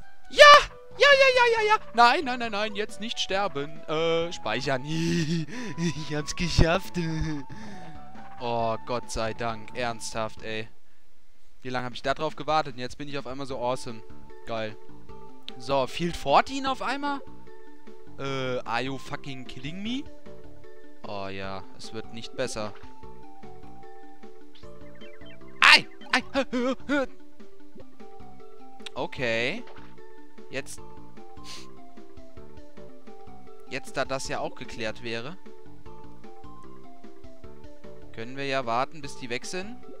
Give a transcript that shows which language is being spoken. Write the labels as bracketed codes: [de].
[de] Ja! Ja, ja, ja, ja, ja! Nein, nein, nein, nein, jetzt nicht sterben. Speichern. Ich hab's geschafft. Oh, Gott sei Dank. Ernsthaft, ey. Wie lange habe ich da drauf gewartet? Jetzt bin ich auf einmal so awesome. Geil. So, Field 14 auf einmal? [en] Are you fucking kidding me? [de] Oh ja, es wird nicht besser. Ei! Ei! Okay. Jetzt. Jetzt, da das ja auch geklärt wäre, können wir ja warten, bis die weg sind.